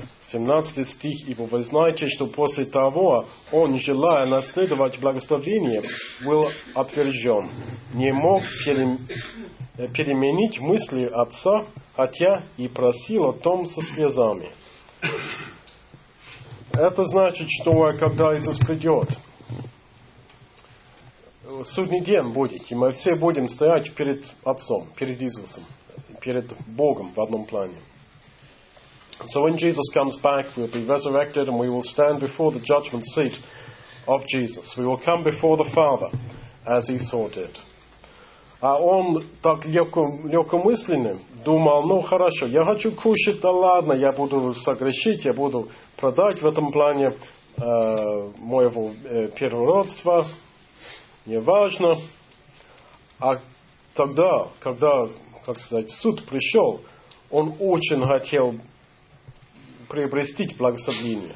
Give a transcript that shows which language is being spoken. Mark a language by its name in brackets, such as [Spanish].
[Russian] 17 стих, ибо вы знаете, что после того он, желая наследовать благословение, был отвержен, не мог переменить мысли отца, хотя и просил о том со слезами. Это значит, что когда Иисус придет, Судний день будет, и мы все будем стоять перед Отцом, перед Иисусом, перед Богом в одном плане. [English] So when Jesus comes back, we'll be resurrected and we will stand before the judgment seat of Jesus. We will come before the Father, as Esau did. [Russian] А он так легкомысленным думал, ну хорошо, я хочу кушать, да ладно, я буду согрешить, я буду продать в этом плане моего первородства. Неважно. А тогда, когда, как сказать, суд пришел, он очень хотел приобрести благословение.